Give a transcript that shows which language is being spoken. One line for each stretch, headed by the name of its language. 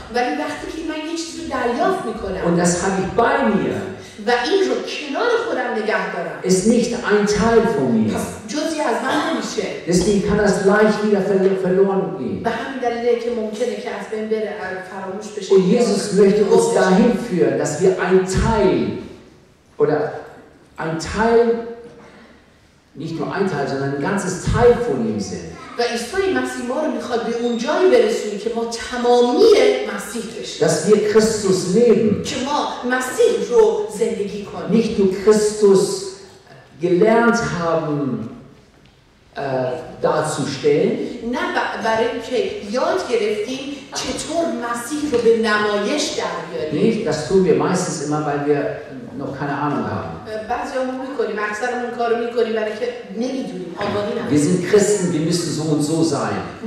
Persian: ولی وقتی که من یه چیزی دریافت میکنم.
German: Und das habe ich bei mir.
Persian: و این رو کنار خودم نگه دارم.
German: Ist nicht ein Teil von mir.
Persian: جزئی از من نمیشه.
German: Deswegen kann das leicht wieder verloren gehen.
Persian: به همین دلیل که ممکنه که از بین بره، فراموش بشه.
German: Und Jesus möchte uns dahin führen, dass wir ein Teil oder ein Teil, nicht nur ein Teil, sondern ein ganzes Teil von ihm sind.
Persian: و عیسی مسیح ما رو میخواد به اون جایی برسونی که ما تمامی مسیح بشیم.
German: Dass wir Christus leben.
Persian: که ما مسیح رو زندگی کنیم.
German: Nicht nur Christus gelernt haben darzustellen.
Persian: نه برای اینکه یاد گرفتیم چطور مسیح رو به نمایش در بیاریم.
German: Nicht, das tun wir meistens immer, weil wir noch keine Ahnung haben. Wir sind Christen, wir müssen so und so sein.